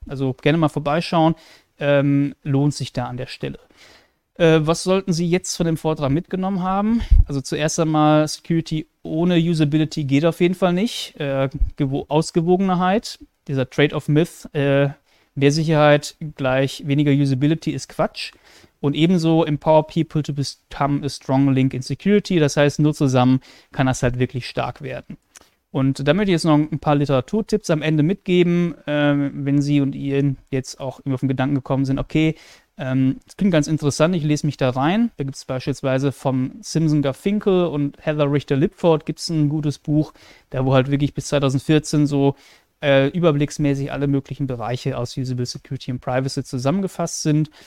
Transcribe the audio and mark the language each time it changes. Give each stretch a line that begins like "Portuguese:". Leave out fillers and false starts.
German: Also gerne mal vorbeischauen, lohnt sich da an der Stelle. Was sollten Sie jetzt von dem Vortrag mitgenommen haben? Also zuerst einmal, Security ohne Usability geht auf jeden Fall nicht. Ausgewogenheit, dieser Trade-off-Myth, mehr Sicherheit gleich weniger Usability ist Quatsch. Und ebenso
English: empower people to become a strong link in Security.
German: Das heißt, nur zusammen kann das halt wirklich stark werden. Und da möchte ich jetzt noch ein paar Literaturtipps am Ende mitgeben, wenn Sie und ihr jetzt auch irgendwie auf den Gedanken gekommen sind, okay, das klingt ganz interessant, ich lese mich da rein. Da gibt es beispielsweise vom Simson Garfinkel und Heather Richter-Lipford gibt es ein gutes Buch, da wo halt wirklich bis 2014 so überblicksmäßig alle möglichen Bereiche aus Usable Security und Privacy zusammengefasst sind.